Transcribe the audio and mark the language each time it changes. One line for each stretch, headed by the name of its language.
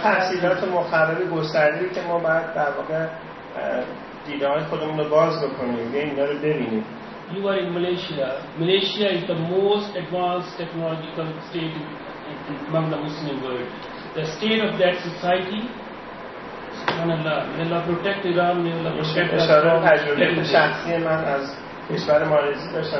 Persian: تحصیلات مخرب گسترده‌ای که ما باید در واقع دیده‌های خودمون رو باز بکنیم یه اینا رو ببینیم.
English: You are in Malaysia. Malaysia is the most advanced technological state among the Muslim world. The state of that society, may Allah protect Iran, may Allah protect us.
Persian: اشاره تجربه شخصی من از کشور مالزی داشتم.